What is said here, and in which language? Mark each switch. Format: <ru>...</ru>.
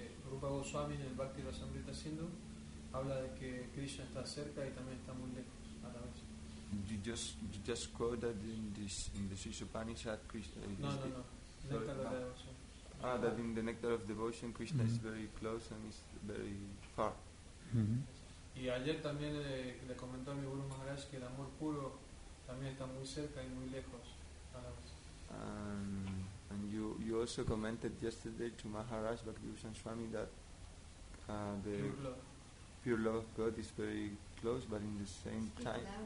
<es>Rupa Goswami en el Bhakti Rasamrita Sindhu habla de que Krishna está cerca y también está muy lejos a la vez.</es> <en>You just quoted in this Shishupanishad Krishna. No. That in the nectar of devotion Krishna is very close and is very far.</en> <es>Y ayer también le comentó a mi Guru Maharaj que el amor puro también está muy cerca y muy lejos a la vez.</es> <en>And you also commented yesterday to Maharaj Bhaktivinoda Swami that the pure love of God is very close, but in the same time,</en>